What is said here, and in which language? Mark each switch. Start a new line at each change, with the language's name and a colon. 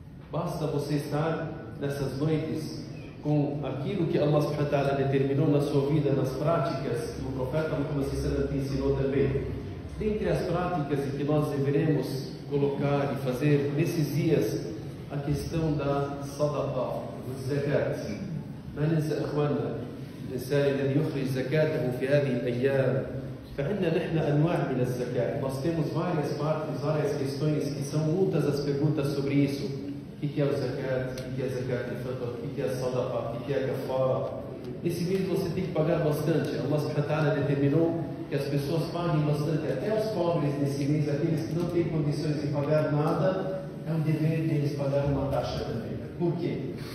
Portuguese: Basta você estar nessas noites com aquilo que Allah subhanahu wa ta'ala determinou na sua vida, nas práticas que o profeta Muhammad sallallahu alaihi wa sallam te ensinou também. Dentre as práticas que nós deveremos colocar e fazer nesses dias, a questão da sadaqah, do zakat.
Arabic: الإنسان الذي يخرج زكاته في هذه الأيام، فعندنا نحن أنواع من الزكاة.
Portuguese: Nós temos várias partes, várias questões que são muitas as perguntas sobre isso. O que é o zakat? O que é zakat al-fitr? O que é a sadaqa? O que é a kafara? Esse mês você tem que pagar bastante. Allah subhanahu wa ta'ala determinou que as pessoas paguem bastante, até os pobres nesse mês, aqueles que não têm condições de pagar nada, é um dever deles pagar uma taxa também. Por quê?